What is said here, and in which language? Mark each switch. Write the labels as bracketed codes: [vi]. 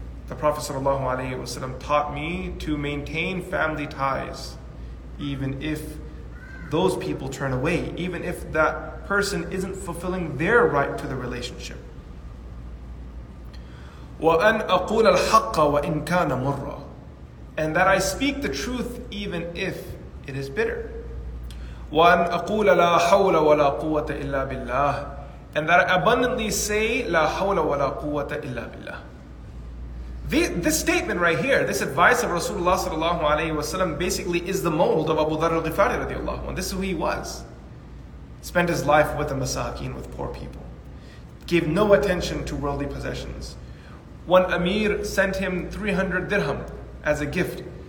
[en] The Prophet sallallahu alaihi wasallam taught me to maintain family ties, even if those people turn away, even if that person isn't fulfilling their right to the relationship. [ar] وَأَنْ أَقُولَ الْحَقَّ وَإِنْ كَانَ مُرَّ, [en] and that I speak the truth even if it is bitter. [ar] وَأَنْ أَقُولَ لَا حَوْلَ وَلَا قُوَّةَ إِلَّا بِاللَّهِ, [en] and that I abundantly say [ar] لَا حَوْلَ وَلَا قُوَّةَ إِلَّا بِاللَّهِ. [en] This statement right here, this advice of Rasulullah sallallahu alaihi wasallam, basically is the mold of Abu Dharr al-Ghifari radiallahu anhu. This is who he was. Spent his life with the masakin, with poor people. Gave no attention to worldly possessions. One Amir sent him 300 dirham as a gift.